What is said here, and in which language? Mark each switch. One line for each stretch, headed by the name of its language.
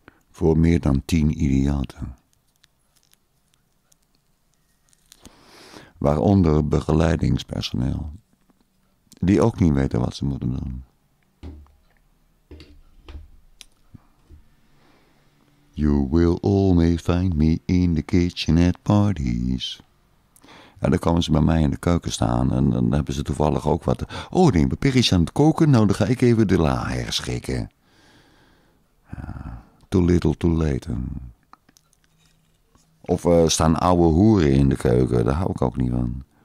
Dutch: Voor meer dan 10 idioten. Waaronder begeleidingspersoneel. Die ook niet weten wat ze moeten doen.
English: You will always find me in the kitchen at parties.
Dutch: En dan komen ze bij mij in de keuken staan. En dan hebben ze toevallig ook wat. Oh nee, mijn Perry is aan het koken. Nou, dan ga ik even de la herschikken. Ja,
English: too little, too late.
Dutch: Of staan oude hoeren in de keuken. Daar hou ik ook niet van.